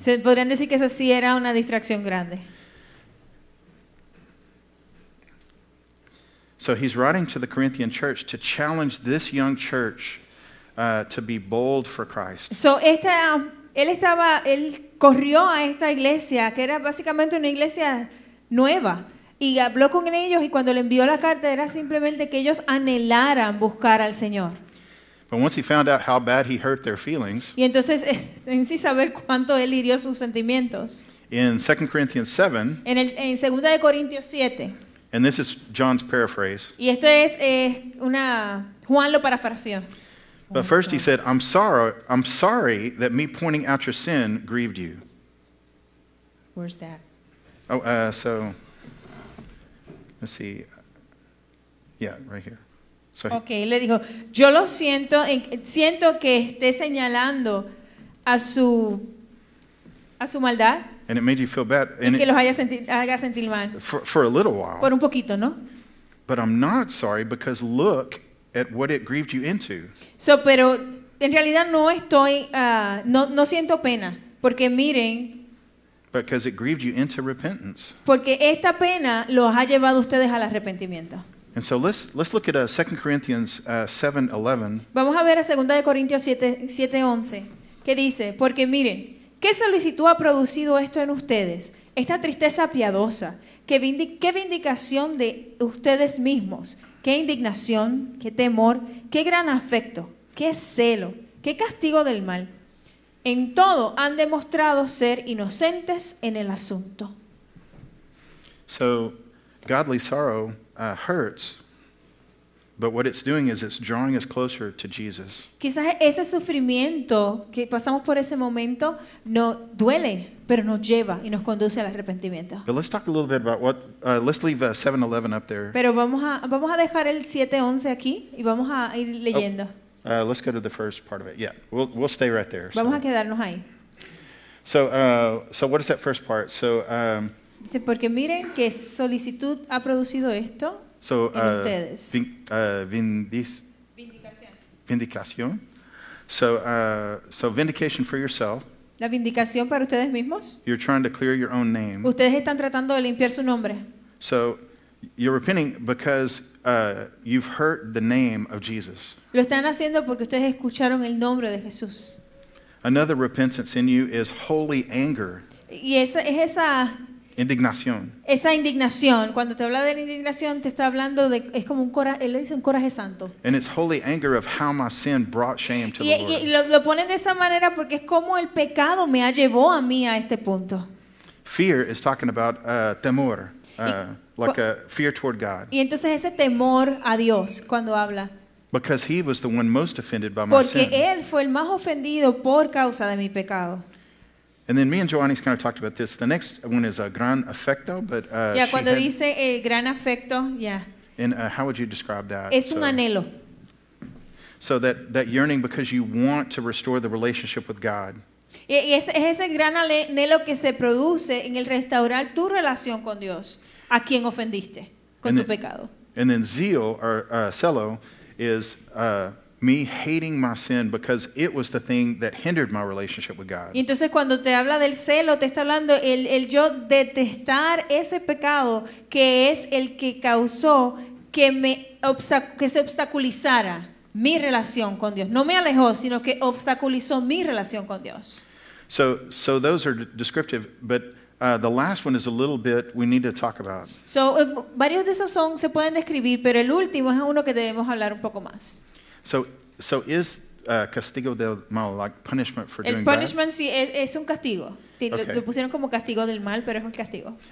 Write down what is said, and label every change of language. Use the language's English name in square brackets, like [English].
[Spanish] Se podrían decir que esa sí era una distracción grande. [English] So he's writing to the Corinthian church to challenge this young church. To be bold for Christ. [Spanish] So esta, él estaba, él corrió a esta iglesia que era básicamente una iglesia nueva y habló con ellos y cuando le envió la carta era simplemente que ellos anhelaran buscar al Señor. [English] But once he found out how bad he hurt their feelings. [Spanish] Y entonces en sí saber cuánto él hirió sus sentimientos. [English] In 2 Corinthians 7. [Spanish] En 2 Corintios 7. [English] And this is John's paraphrase. [Spanish] Y esto es una Juan lo parafraseó. [English] But first he said, I'm sorry that me pointing out your sin grieved you. Where's that? So let's see. Yeah, right here. Sorry. [Spanish] Okay, le dijo, yo lo siento, siento que esté señalando a su maldad. [English] And it made you feel bad. [Spanish] Y que los haga sentir mal. [English] For a little while. [Spanish] Por un poquito, ¿no? [English] But I'm not sorry because look at what it grieved you into. [Spanish] So, pero en realidad no estoy, no siento pena, porque miren. [English] Because it grieved you into repentance. [Spanish] Porque esta pena los ha llevado ustedes al arrepentimiento. [English] And so let's look at 2 Corinthians 7:11. [Spanish] Vamos a ver a 2 Corintios 7:11, que dice, porque miren, ¿qué solicitud ha producido esto en ustedes? Esta tristeza piadosa, ¿qué vindicación de ustedes mismos? Qué indignación, qué temor, qué gran afecto, qué celo, qué castigo del mal. En todo han demostrado ser inocentes en el asunto. [English] So, godly sorrow hurts, but what it's doing is it's drawing us closer to Jesus. [Spanish] Quizás ese sufrimiento que pasamos por ese momento no duele, pero nos lleva y nos conduce al arrepentimiento. [English] But let's talk a little bit about what, let's leave 7:11 up there. [Spanish] Pero vamos a dejar el 7:11 aquí y vamos a ir leyendo. [English] Oh, let's go to the first part of it. Yeah, we'll stay right there. [Spanish] Vamos a quedarnos ahí. [English] So, so what is that first part? So, [Spanish] dice, porque miren qué solicitud ha producido esto [English] so, [Spanish] en ustedes. [English] Vindicación. So vindication for yourself. [Spanish] La vindicación para ustedes mismos. [English] You're trying to clear your own name. [Spanish] Ustedes están tratando de limpiar su nombre. [English] So, you're repenting because you've heard the name of Jesus. [Spanish] Lo están haciendo porque ustedes escucharon el nombre de Jesús. [English] Another repentance in you is holy anger. [Spanish] Y esa es esa Indignación. Esa indignación, cuando te habla de la indignación, te está hablando de, es como un coraje, él le dice un coraje santo. [English] And it's holy anger of how my sin brought shame to [Spanish] y, [English] the Lord. [Spanish] Y lo ponen de esa manera porque es como el pecado me ha llevado a mí a este punto. [English] Fear is talking about temor, like a fear toward God. [Spanish] Y entonces ese temor a Dios cuando habla. [English] Because he was the one most offended by my [Spanish] porque [English] sin. [Spanish] Porque él fue el más ofendido por causa de mi pecado. [English] And then me and Joanny's kind of talked about this. The next one is a gran afecto, but [Spanish] yeah, cuando dice gran afecto, yeah. [English] And how would you describe that? [Spanish] Es un anhelo. [English] So that yearning because you want to restore the relationship with God. [Spanish] Y es ese gran anhelo que se produce en el restaurar tu relación con Dios, a quien ofendiste con tu pecado. [English] And then zeal or celo is me hating my sin because it was the thing that hindered my relationship with God. [Spanish] Y entonces cuando te habla del celo, te está hablando el yo detestar ese pecado que es el que causó que se obstaculizara mi relación con Dios. No me alejó, sino que obstaculizó mi relación con Dios. [English] So those are descriptive, but the last one is a little bit we need to talk about. [Spanish] So varios de esos son se pueden describir, pero el último es uno que debemos hablar un poco más. [English] So is castigo del mal like punishment for [Spanish] el [English] doing punishment, bad? [Spanish] El punishment sí es un castigo. Sí, okay. Lo pusieron como castigo del mal, pero es un castigo.